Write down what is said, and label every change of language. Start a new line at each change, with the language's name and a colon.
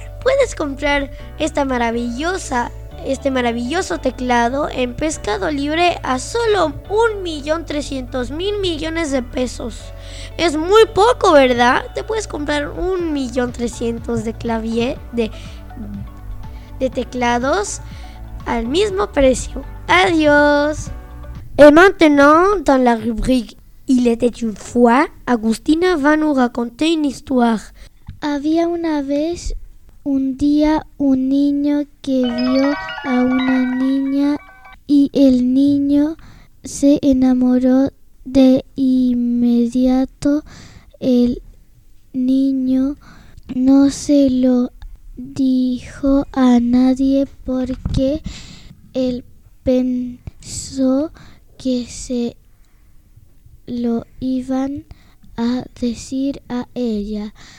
Spanish: Puedes comprar este maravilloso teclado en Pescado Libre a solo 1.300.000 millones de pesos. Es muy poco, ¿verdad? Te puedes comprar 1.300.000 de teclados al mismo precio. ¡Adiós!
French: Y maintenant, dans la rubrique Il était une fois, Agustina va nous raconter une histoire.
Spanish: Había una vez, un día, un niño que vio a una niña y el niño se enamoró de inmediato. El niño no se lo dijo a nadie porque él pensó que se lo iban a decir a ella.